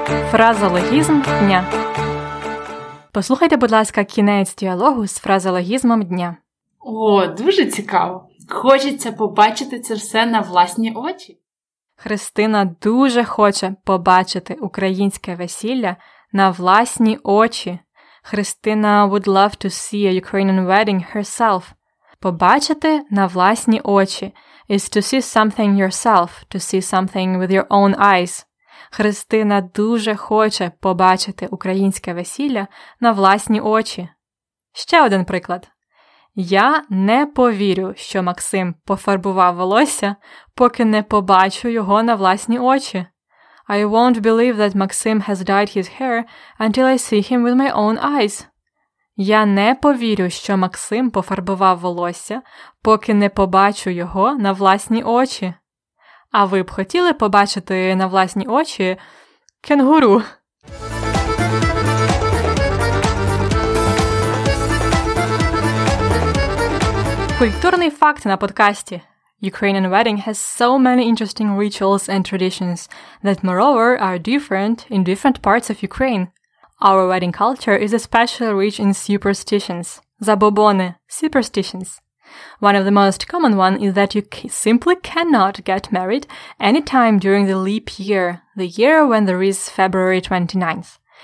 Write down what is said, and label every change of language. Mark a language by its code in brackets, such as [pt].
[uk] Фразеологізм дня. Послухайте, будь ласка, кінець діалогу з фразеологізмом дня. О, дуже цікаво. Хочеться побачити це все на власні очі. Христина дуже хоче побачити українське весілля на власні очі. [en] Христина would love to see a Ukrainian wedding herself. [uk] Побачити на власні очі [en] is to see something yourself, to see something with your own eyes. [uk] Христина дуже хоче побачити українське весілля на власні очі. Ще один приклад. Я не повірю, що Максим пофарбував волосся, поки не побачу його на власні очі. [en] I won't believe that Maxim has dyed his hair until I see him with my own eyes. [uk] Я не повірю, що Максим пофарбував волосся, поки не побачу його на власні очі. А ви б хотіли побачити на власні очі кенгуру? Культурний факт на подкасті. [en] Ukrainian wedding has so many interesting rituals and traditions that, moreover, are different in different parts of Ukraine. Our wedding culture is especially rich in superstitions. Забобони – superstitions. One of the most common ones is that you simply cannot get married any time during the leap year, the year when there is February 29th.